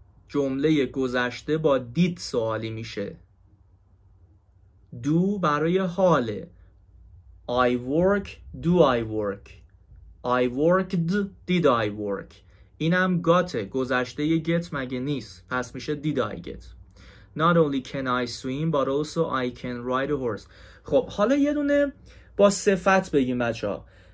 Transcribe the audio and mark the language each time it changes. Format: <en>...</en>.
<fa>جمله گذشته با دید سوالی میشه.</fa> <en>Do</en> <fa>برای حاله.</fa> <en>I work, do I work. I worked, did I work.</en> <fa>اینم got گذشته get مگه نیست. پس میشه</fa> <en>did I get. Not only can I swim, but also I can ride a horse.</en> <fa>خب حالا یه دونه با صفت بگیم بچه ها.</fa>